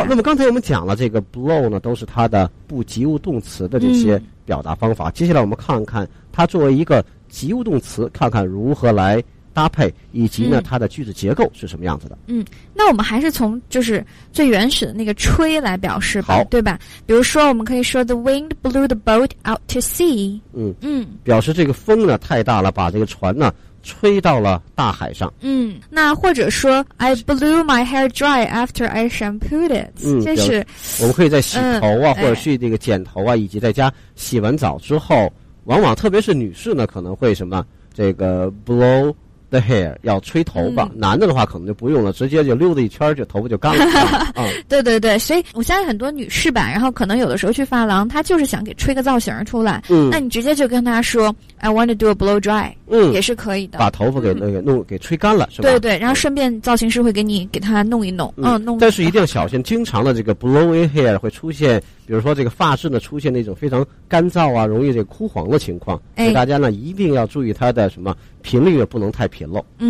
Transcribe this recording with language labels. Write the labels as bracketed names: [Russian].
[Chinese] 好，那么刚才我们讲了这个 blow 呢，都是它的不及物动词的这些表达方法。接下来我们看看它作为一个及物动词，看看如何来搭配，以及呢它的句子结构是什么样子的。那我们还是从就是最原始的那个吹来表示吧，对吧？比如说我们可以说 [English] the wind blew the boat out to sea。 [Chinese] 表示这个风呢太大了，把这个船呢吹到了大海上。那或者说 [English] I blew my hair dry after I shampooed it。 [Chinese] 这是我们可以在洗头啊、或者去那个剪头啊、以及在家洗完澡之后，往往特别是女士呢可能会什么这个 blowthe hair 要吹头发，男的话可能就不用了，直接就溜达一圈就头发就干了。对对对，所以我相信很多女士吧，然后可能有的时候去发廊，她就是想给吹个造型出来。那你直接就跟她说 [English] I want to do a blow dry。 [Chinese] 也是可以的，把头发给那个弄给吹干了，是吧？对对，然后顺便造型师会给你给她弄一弄。但是一定要小心，经常的这个 blowing hair 会出现，比如说这个发质呢出现那种非常干燥啊，容易这个枯黄的情况。所以大家呢一定要注意它的什么频率，也不能太频漏。